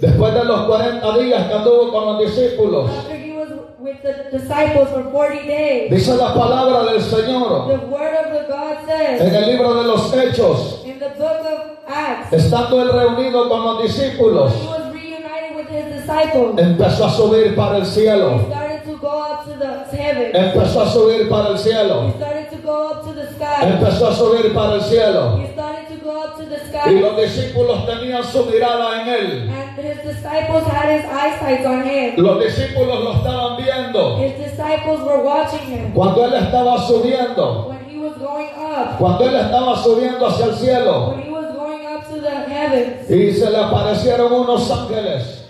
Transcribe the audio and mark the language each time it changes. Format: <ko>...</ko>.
<es>Después de los 40 días que anduvo con los discípulos.</es> <en>After he was with the disciples for 40 days.</en> <es>Dice la palabra del Señor.</es> <en>The word of the God says.</en> <es>En el libro de los Hechos.</es> <en>In the book of Acts.</en> <es>Estando él reunido con los discípulos.</es> <en>He was reunited with his disciples.</en> <es>Empezó a subir para el cielo.</es> <en>To go up to the heaven.</en> <es>Empezó a subir para el cielo.</es> <en>He started to go up to the sky.</en> <es>Empezó a subir para el cielo.</es> <en>He started to go up to the sky.</en> <es>Y los discípulos tenían su mirada en él.</es> <en>And his disciples had his eyesight on him.</en> <es>Los discípulos lo estaban viendo.</es> <en>His disciples were watching him.</en> <es>Cuando él estaba subiendo.</es> <en>When he was going up.</en> <es>Cuando él estaba subiendo hacia el cielo.</es> <en>When he was going up to the heavens.</en> <es>Y se le aparecieron unos ángeles.</es>